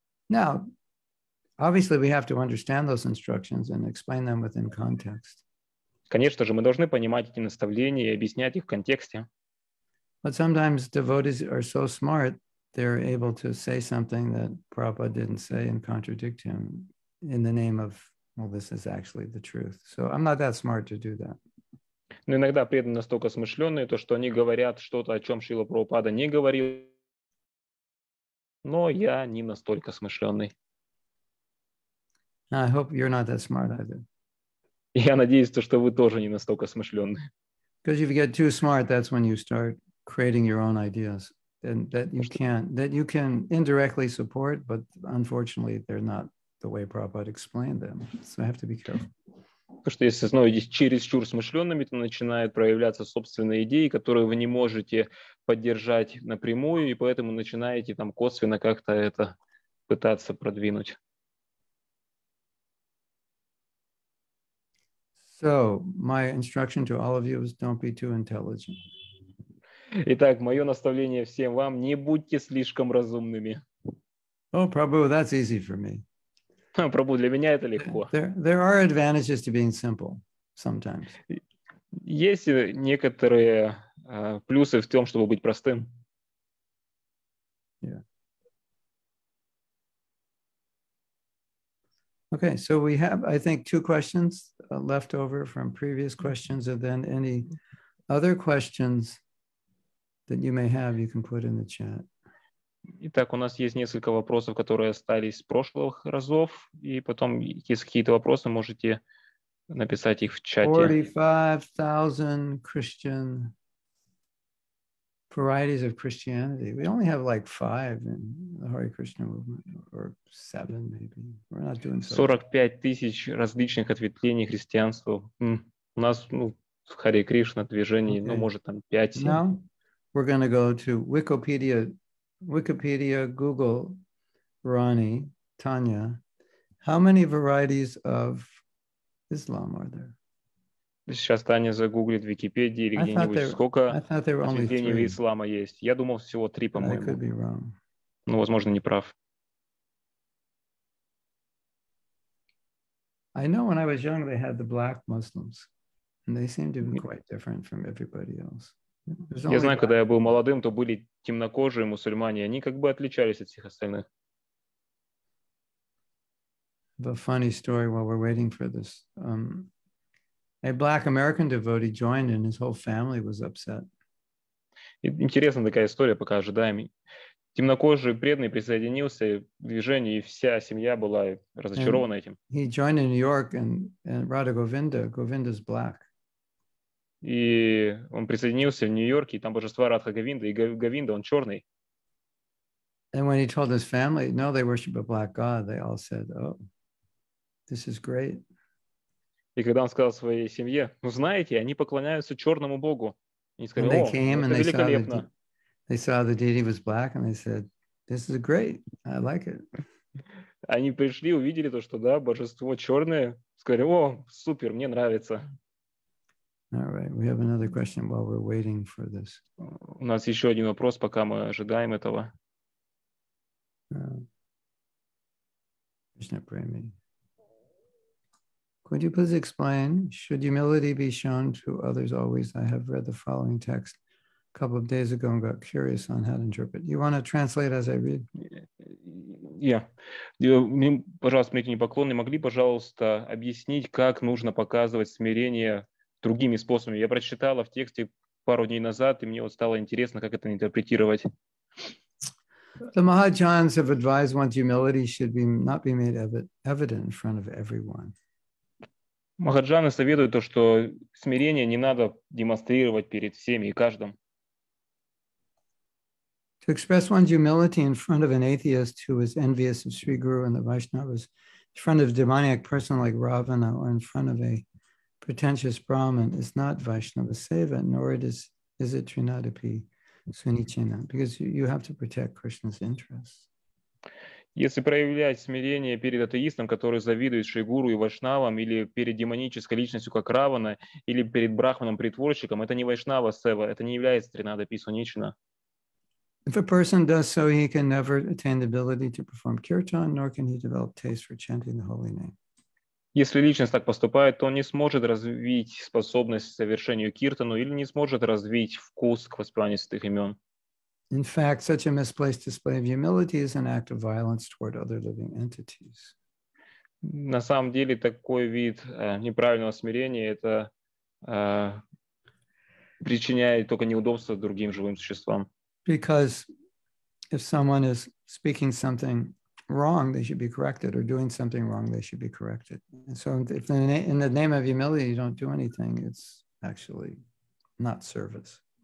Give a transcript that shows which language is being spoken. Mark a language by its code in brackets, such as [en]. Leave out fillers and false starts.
[en] Now, obviously, we have to understand those instructions and explain them within context. [ru] Конечно же, мы должны понимать эти наставления и объяснять их в контексте. [en] But sometimes devotees are so smart, they're able to say something that Prabhupada didn't say and contradict him in the name of, well, this is actually the truth. So I'm not that smart to do that. [ru] Но иногда преданные настолько смышленные, то, что они говорят что-то, о чем Шрила Прабхупада не говорил. Но я не настолько смышленный. [en] I hope you're not that smart either. [ru] Я надеюсь, что вы тоже не настолько смышленны. [en] Because if you get too smart, that's when you start creating your own ideas, and that you can indirectly support, but unfortunately, they're not the way Prabhupada explained them. So I have to be careful. [ru] Потому что если снова чересчур смышленными, то начинают проявляться собственные идеи, которые вы не можете поддержать напрямую, и поэтому начинаете там косвенно как-то это пытаться продвинуть. [en] So my instruction to all of you is don't be too intelligent. [ru] Итак, мое наставление всем вам: не будьте слишком разумными. [en] Oh, Prabhu, that's easy for me. [ru] Prabhu, для меня это легко. [en] There are advantages to being simple sometimes. [ru] Есть некоторые плюсы в том, чтобы быть простым. [en] Yeah. Okay, so we have, I think, two questions left over from previous questions, and then any other questions that you may have, you can put in the chat. [ru] Итак, у нас есть несколько вопросов, которые остались с прошлых разов, и потом, если какие-то вопросы, можете написать их в чате. [en] 45,000 Christian varieties of Christianity. We only have like 5 in the Hare Krishna movement, or 7 maybe. We're not doing so. [ru] 45,000 различных ответвлений христианства. У нас, ну, в Hare Krishna движении, okay. Ну, может, там 5-7. [en] Now we're going to go to Wikipedia, Google, Rani, Tanya, how many varieties of Islam are there? [ru] Сейчас Таня загуглит в Википедии или где-нибудь, сколько ответвлений ислама есть. Я думал, всего три, по-моему. Ну, возможно, не прав. [en] I know when I was young, they had the black Muslims. And they seemed to be quite different from everybody else. [ru] Я знаю, когда я был молодым, то были темнокожие мусульмане, они как бы отличались от всех остальных. [en] The funny story while we're waiting for this. A black American devotee joined and his whole family was upset. [ru] Интересная такая история, пока ожидаем. Темнокожий преданный присоединился к движению, и вся семья была разочарована этим. [en] He joined in New York and Radha Govinda. Govinda's black. [ru] И он присоединился в Нью-Йорке, и там божество Радха Говинда, и Говинда, он черный. [en] And when he told his family, no, they worship a black god, they all said, oh, this is great. [ru] И когда он сказал своей семье, ну знаете, они поклоняются черному богу. Они сказали, о, это великолепно. [en] They saw the deity was black, and they said, this is great, I like it. [ru] Они пришли, увидели то, что, да, божество черное, сказали, о, супер, мне нравится. [en] All right, we have another question while we're waiting for this. [ru] У нас еще один вопрос, пока мы ожидаем этого. [en] Krishna Premi. Could you please explain, should humility be shown to others always? I have read the following text a couple of days ago and got curious on how to interpret. You want to translate as I read? Yeah. [ru] Пожалуйста, смиренные поклонные, могли, пожалуйста, объяснить, как нужно показывать смирение другими способами? Я прочитала в тексте пару дней назад, и мне вот стало интересно, как это интерпретировать. [en] The Mahajans have advised one humility should be not be made evident in front of everyone. [ru] Махаджаны советуют то, что смирение не надо демонстрировать перед всеми и каждым. [en] To express one's humility in front of an atheist who is envious of Sri Guru and the Vaishnavas, in front of a demoniac person like Ravana, or in front of a pretentious Brahmin, is not Vaishnava Seva, nor is it Trinadapi Sunichena, because you have to protect Krishna's interests. [ru] Если проявлять смирение перед атеистом, который завидует Шри Гуру и Вайшнавам, или перед демонической личностью, как Равана, или перед брахманом-притворщиком, это не Вайшнава Сева, это не является Тринадапи Сунишина. [en] If a person does so, he can never attain the ability to perform kirtan, nor can he develop taste for chanting the holy name. [ru] Если личность так поступает, то он не сможет развить способность к совершению киртану или не сможет развить вкус к воспеванию святых имен. [en] In fact, such a misplaced display of humility is an act of violence toward other living entities. [ru] На самом деле, такой вид неправильного смирения это причиняет только неудобства другим живым существам. [en] Because if someone is speaking something wrong, they should be corrected, or doing something wrong, they should be corrected. And so if in the name of humility you don't do anything, it's actually not service.